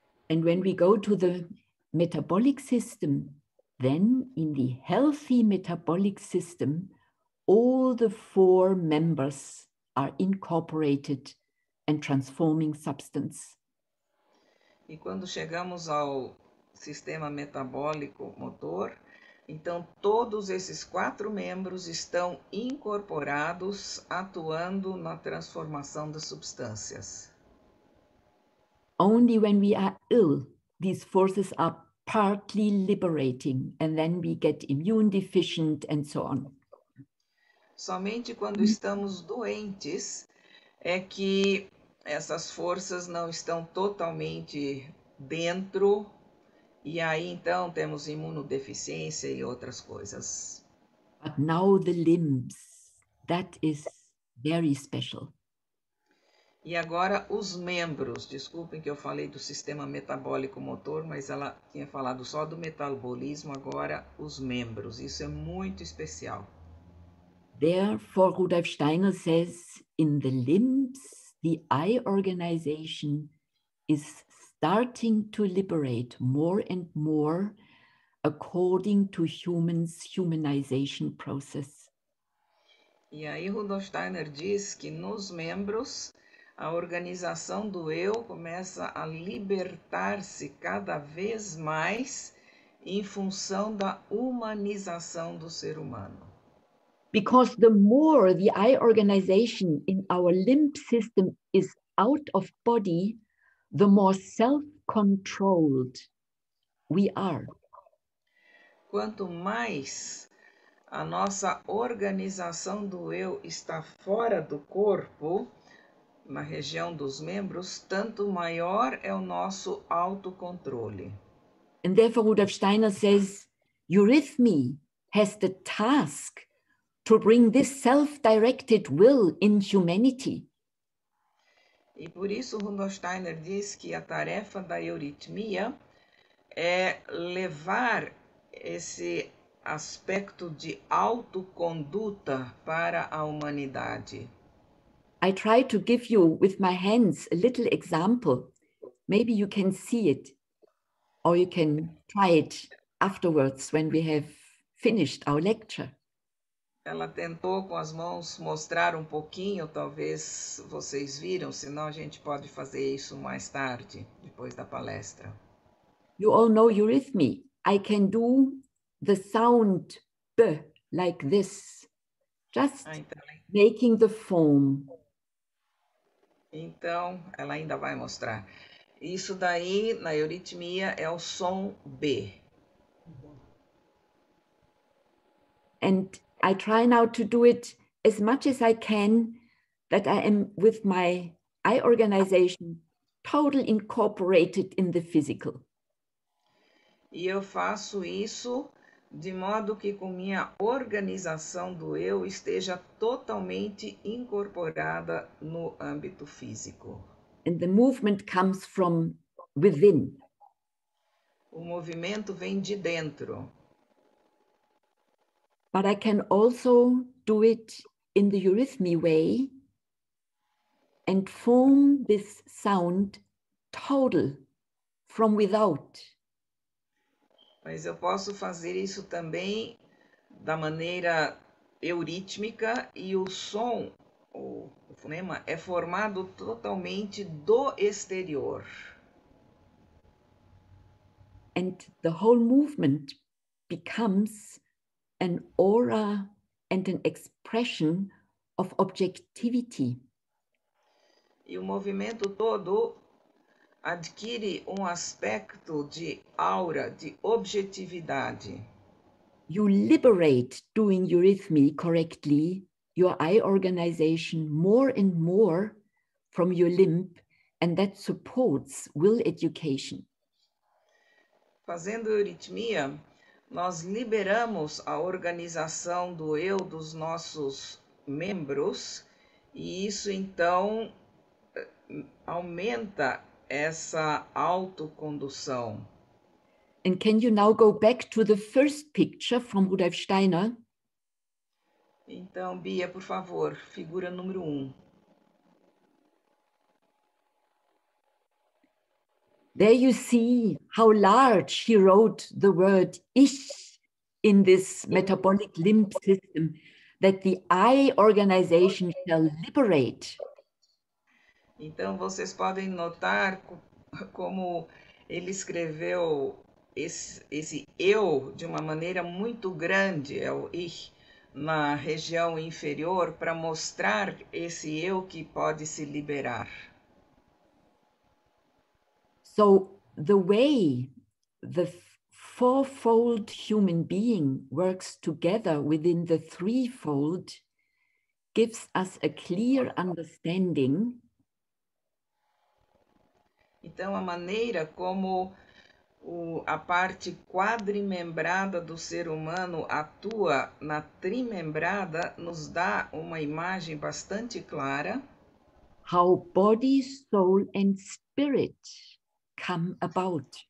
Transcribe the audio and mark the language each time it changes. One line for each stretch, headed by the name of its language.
English: And when we go to the metabolic system, then in the healthy metabolic system, all the four members are incorporated and transforming substance.
Portuguese: E quando chegamos ao sistema metabólico motor, então todos esses quatro membros estão incorporados, atuando na transformação das substâncias.
English: Only when we are ill, these forces are partly liberating, and then we get immune deficient and so on.
Portuguese: Somente quando estamos doentes é que essas forças não estão totalmente dentro, e aí então temos imunodeficiência e outras coisas.
English: But now the limbs, that is very special.
Portuguese: E agora os membros, desculpem que eu falei do sistema metabólico motor, mas ela tinha falado só do metabolismo, agora os membros, isso é muito especial.
English: Therefore, Rudolf Steiner says, in the limbs, the eye organization is starting to liberate more and more according to humans' humanization process.
Portuguese: E aí Rudolf Steiner diz que nos membros, a organização do eu começa a libertar-se cada vez mais em função da humanização do ser humano.
English: Because the more the eye organization in our limb system is out of body, the more self-controlled we are.
Portuguese: Quanto mais a nossa organização do eu está fora do corpo, na região dos membros, tanto maior é o nosso autocontrole.
English: And therefore Rudolf Steiner says, Eurythmy has the task to bring this self-directed will in humanity.
Portuguese: E por isso Rudolf Steiner diz que a tarefa da euritmia é levar esse aspecto de autoconduta para a humanidade.
English: I try to give you with my hands a little example. Maybe you can see it, or you can try it afterwards when we have finished our lecture.
Portuguese: Ela tentou com as mãos mostrar um pouquinho, talvez vocês viram, senão a gente pode fazer isso mais tarde, depois da palestra.
English: You all know eurythmy. I can do the sound B like this, just making the form.
Portuguese: Então, ela ainda vai mostrar. Isso daí, na euritmia, é o som B.
English: And I try now to do it as much as I can, that I am with my eye organization totally incorporated in the physical.
Portuguese: E eu faço isso de modo que com minha organização do eu esteja totalmente incorporada no âmbito físico.
English: And the movement comes from within.
Portuguese: O movimento vem de dentro.
English: But I can also do it in the eurythmy way and form this sound total from without.
Portuguese: Mas eu posso fazer isso também da maneira eurítmica e o som, o fonema, é formado totalmente do exterior.
English: And the whole movement becomes an aura and an expression of objectivity.
Portuguese: E o movimento todo adquire um aspecto de aura, de objetividade.
English: You liberate, doing eurythmy correctly, your eye organization more and more from your limb, and that supports will education.
Portuguese: Fazendo euritmia, nós liberamos a organização do eu dos nossos membros, e isso então aumenta essa autocondução.
English: And can you now go back to the first picture from Rudolf Steiner?
Portuguese: Então, Bia, por favor, figura número 1.
English: There you see how large he wrote the word ich in this metabolic limb system that the eye organization shall liberate.
Portuguese: Então, vocês podem notar como ele escreveu esse eu de uma maneira muito grande, é o ich, na região inferior, para mostrar esse eu que pode se liberar.
English: So, the way the fourfold human being works together within the threefold gives us a clear understanding.
Portuguese: Então, a maneira como a parte quadrimembrada do ser humano atua na trimembrada nos dá uma imagem bastante clara.
English: How body, soul and spirit come about.